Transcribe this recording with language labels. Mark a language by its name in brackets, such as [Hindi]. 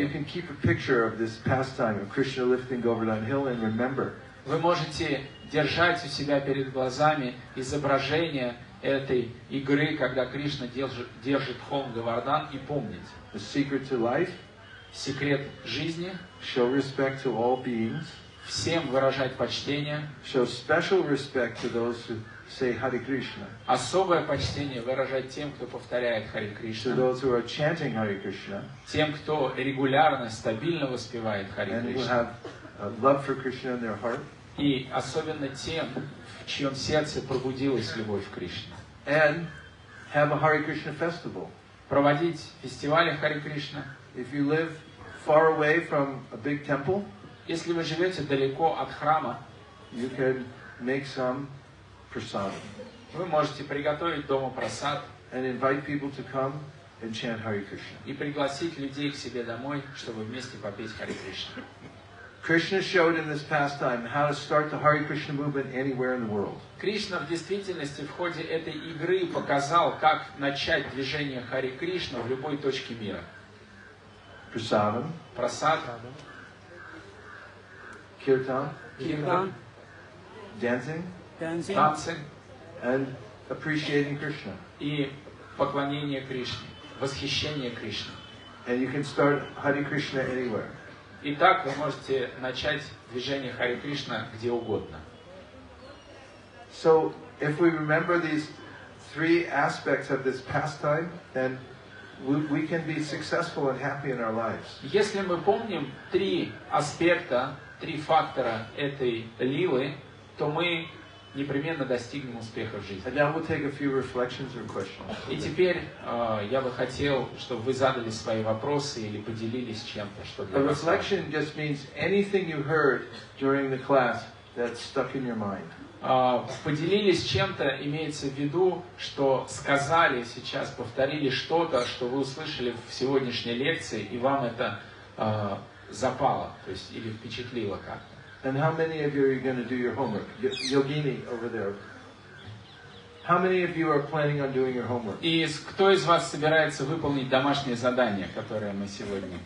[English] And you can keep a picture of this pastime of Krishna lifting Govardhan Hill and remember. [Russian] Вы можете держать у себя перед глазами изображение этой игры, когда Кришна держит холм Говардан, и помнить. [English] The secret to life. [Russian] Секрет жизни. [English] Show respect to all beings. [Russian] Всем выражать почтение. [English] Show special respect to those who say Hare Krishna. [Russian] Особое почтение выражать тем, кто повторяет Hare Krishna. [English] To those who are chanting Hare Krishna. [Russian] Тем, кто регулярно, стабильно воспевает Hare Krishna. [English] And who have love for Krishna in their heart. [Russian] И особенно тем, в чьем сердце пробудилась любовь к Кришне. [English] And have a Hare Krishna festival. [Russian] Проводить фестивали Hare Krishna. [English] If you live far away from a big temple, [Russian] если вы живете далеко от храма, [English] you can make some prasad. [Russian] Вы можете приготовить дома прасад. [English] And invite people to come and chant Hare Krishna. [Russian] И пригласить людей к себе домой, чтобы вместе попеть Hare Krishna. [English] Krishna showed in this pastime how to start the Hare Krishna movement anywhere in the world. [Russian] Кришна в действительности в ходе этой игры показал, как начать движение Hare Krishna в любой точке мира. [English] Prasadam. Prasad. Kirtan. Kirtan. Dancing. Dancing. Dancing. And appreciating Krishna. [Russian] И поклонение Кришне, восхищение Кришне. [English] And you can start Hare Krishna anywhere. [Russian] И так вы можете начать движение Hare Krishna где угодно. [English] So, if we remember these three aspects of this pastime, then we can be successful and happy in our lives. [Russian] Если мы помним три аспекта, три фактора этой лилы, то мы непременно достигнем успеха в жизни. [English] And now we'll take a few reflections or questions. [Russian] И теперь я бы хотел, чтобы вы задали свои вопросы или поделились чем-то, что для вас. [English] A reflection just means anything you heard during the class that stuck in your mind. [Russian] Поделились чем-то имеется в виду, что сказали сейчас, повторили что-то, что вы услышали в сегодняшней лекции, и вам это запало, то есть или впечатлило как-то. [English] And how many of you are going to do your homework? Yogini over there. How many of you are planning on doing your homework? [Russian] И кто из вас собирается выполнить домашнее задание, которое мы сегодня?